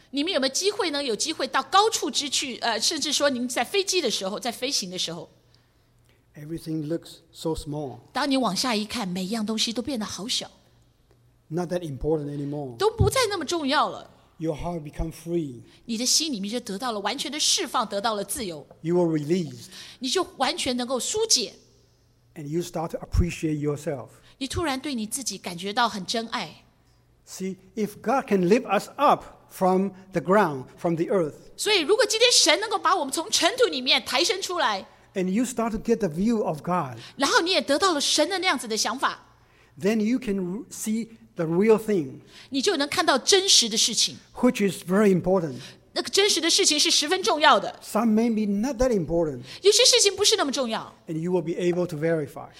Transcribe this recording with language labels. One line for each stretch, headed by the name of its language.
Chinese: 你们有没有机会呢？有机会到高处之去，甚至说您在飞机的时候，在飞行的时候。
English: Everything looks so small.
Chinese: 当你往下一看，每一样东西都变得好小。
English: Not that important anymore.
Chinese: 都不再那么重要了。
English: Your heart become free.
Chinese: 你的心里面就得到了完全的释放，得到了自由。
English: You were released.
Chinese: 你就完全能够疏解。
English: And you start to appreciate yourself.
Chinese: 你突然对你自己感觉到很真爱。
English: See, if God can lift us up from the ground, from the earth.
Chinese: 所以如果今天神能够把我们从尘土里面抬升出来。
English: And you start to get the view of God.
Chinese: 然后你也得到了神的那样子的想法。
English: Then you can see the real thing.
Chinese: 你就能看到真实的事情。
English: Which is very important.
Chinese: 那个真实的事情是十分重要的。
English: Some may be not that important.
Chinese: 有些事情不是那么重要。
English: And you will be able to verify.